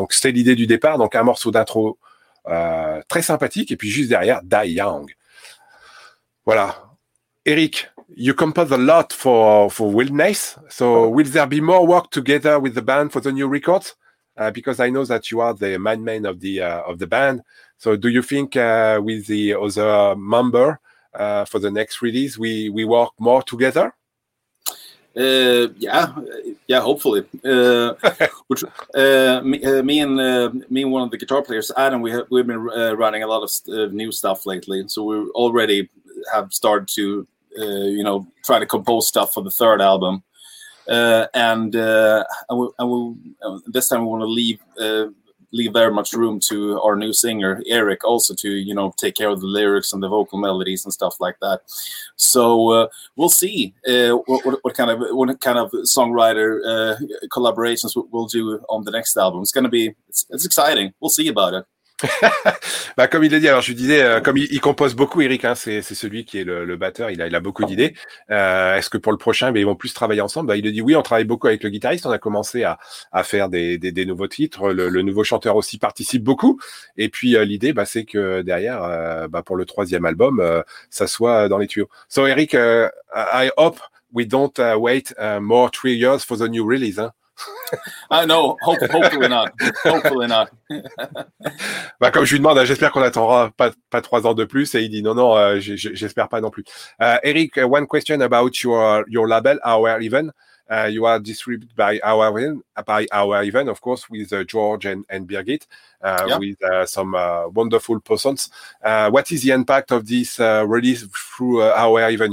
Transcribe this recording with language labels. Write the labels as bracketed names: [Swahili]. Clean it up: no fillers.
[French] Donc c'était l'idée du départ, donc un morceau d'intro très sympathique, et puis juste derrière Die Young. Voilà. [English] Eric, you compose a lot for Wilderness, so will there be more work together with the band for the new record? Because I know that you are the main man of the band, so do you think with the other member for the next release, we work more together? Yeah, hopefully. me and one of the guitar players, Adam, we've been writing a lot of new stuff lately. So we already have started to, try to compose stuff for the third album. And this time we want to leave leave very much room to our new singer, Eric, also to, you know, take care of the lyrics and the vocal melodies and stuff like that. So we'll see what kind of songwriter collaborations we'll do on the next album. It's exciting. We'll see about it. [French] Bah, comme il l'a dit, alors je disais, comme il compose beaucoup, Eric, hein, c'est celui qui est le batteur, il a beaucoup d'idées. Est-ce que pour le prochain, ils vont plus travailler ensemble? Bah, il a dit oui, on travaille beaucoup avec le guitariste, on a commencé à faire des nouveaux titres, le nouveau chanteur aussi participe beaucoup. Et puis l'idée, bah, c'est que derrière, bah, pour le troisième album, ça soit dans les tuyaux. [English] So Eric, I hope we don't wait more 3 years for the new release. Hein. I know. Hopefully not. [French] Bah, comme je lui demande, j'espère qu'on attendra pas 3 ans de plus. Et il dit non, j'espère pas non plus. [English] Eric, one question about your label, Our Even. You are distributed by Our Even, of course, with George and Birgit, with some wonderful persons. What is the impact of this release through Our Even?